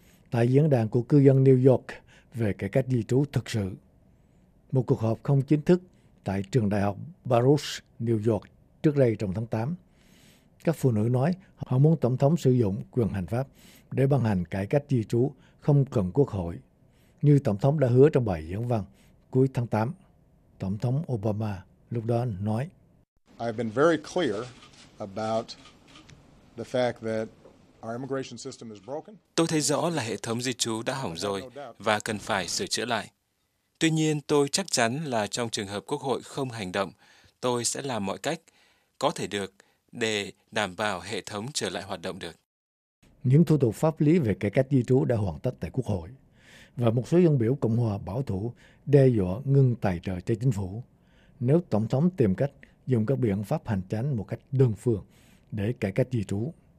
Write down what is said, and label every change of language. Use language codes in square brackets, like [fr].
[vi] Tại diễn đàn của cư dân New York về cải cách di trú thực sự, một cuộc họp không chính thức tại trường đại học Baruch, New York, trước đây trong tháng 8, các phụ nữ nói họ muốn Tổng thống sử dụng quyền hành pháp để ban hành cải cách di trú không cần quốc hội, như Tổng thống đã hứa trong bài diễn văn cuối tháng 8. Tổng thống Obama lúc đó nói: [en] I've been very clear about the fact that our immigration system is broken. [vi] Tôi thấy rõ là hệ thống di trú đã hỏng rồi và cần phải sửa chữa lại. Tuy nhiên, tôi chắc chắn là trong trường hợp quốc hội không hành động, tôi sẽ làm mọi cách có thể được để đảm bảo hệ thống trở lại hoạt động được. Những thủ tục pháp lý về cải cách di trú đã hoàn tất tại Quốc hội và một số dân biểu Cộng hòa bảo thủ đe dọa ngừng tài trợ cho chính phủ nếu Tổng thống tìm cách dùng các biện pháp hành chính một cách đơn phương để cải cách di trú.